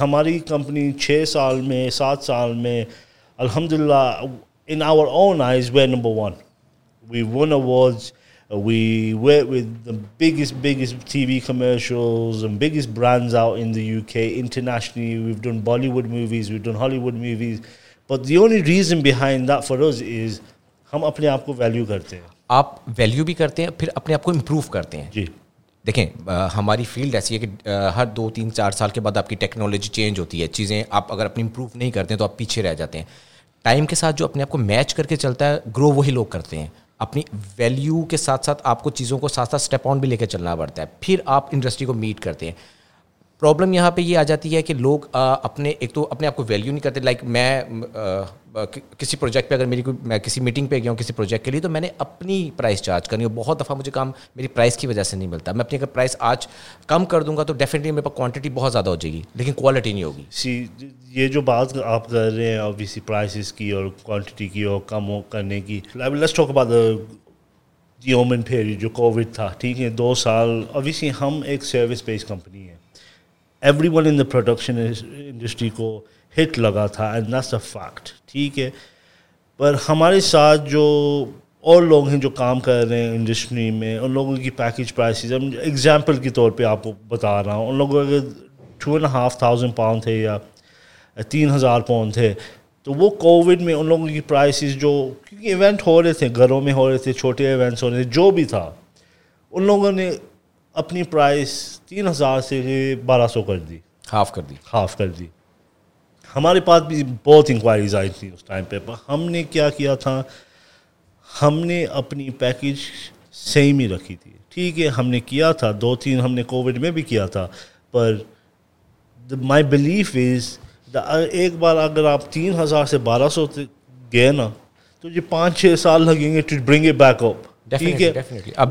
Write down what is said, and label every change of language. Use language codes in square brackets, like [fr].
[hi] हमारी कंपनी 6 साल में [en] 7 साल में अल्हम्दुलिल्लाह in our own eyes we number one, we won awards, we work with the biggest TV commercials and biggest brands out in the UK, internationally. We've done Bollywood movies, we've done Hollywood movies, but the only reason behind that for us is [hi] hum apne aap ko value karte hain. Aap value bhi karte hain phir apne aap ko improve karte hain ji. देखें हमारी field ऐसी है कि हर 2-3-4 साल के बाद आपकी technology change होती है, चीज़ें आप अगर अपनी इंप्रूव नहीं करते हैं तो आप पीछे रह जाते हैं। टाइम के साथ जो अपने आप को मैच करके चलता है ग्रो, वही लोग करते हैं। अपनी वैल्यू के साथ साथ आपको चीज़ों को साथ साथ स्टेप ऑन भी लेकर चलना पड़ता है, फिर आप इंडस्ट्री को मीट करते हैं। प्रॉब्लम यहाँ पे ये आ जाती है कि लोग अपने एक तो अपने आप को वैल्यू नहीं करते। लाइक मैं किसी प्रोजेक्ट पे अगर मेरी कोई मैं किसी मीटिंग पे गया हूँ किसी प्रोजेक्ट के लिए, तो मैंने अपनी प्राइस चार्ज करनी है। बहुत दफ़ा मुझे काम मेरी प्राइस की वजह से नहीं मिलता। मैं अपनी अगर प्राइस आज कम कर दूंगा तो डेफिनेटली मेरे पास क्वान्टिटी बहुत ज़्यादा हो जाएगी लेकिन क्वालिटी नहीं होगी। सी, ये जो बात आप कर रहे हैं ऑब्वियसली प्राइसेस की और क्वान्टिटी की और कम करने की, [en] let's talk about the omen period [hi] जो कोविड था, ठीक है, 2 साल। ऑब्वियसली हम एक सर्विस बेस्ड कंपनी है, [en] everyone in the production industry [hi] ko hit laga tha [en] and that's a fact, [hi] theek hai, par hamare sath jo aur log hain jo kaam kar rahe hain industry mein, un logon ki package prices hum example ke taur pe aapko bata raha hu, un logon ke 2,500 pounds the ya 3,000 pounds the, to wo covid mein un logon ki prices jo kyunki event ho rahe the gharon mein ho rahe the, chote events ho rahe the, jo bhi tha, un logon ne अपनी price 3,000 से 1,200 कर दी, half कर दी। हमारे पास भी बहुत inquiries आई थी उस time पे, पर हमने क्या किया था, हमने अपनी पैकेज सेम ही रखी थी, ठीक है, हमने किया था 2-3, हमने कोविड में भी किया था, पर [en] my belief is the [hi] एक बार अगर आप 3,000 से 1,200 गए ना तो ये 5-6 साल लगेंगे [en] To bring it back up.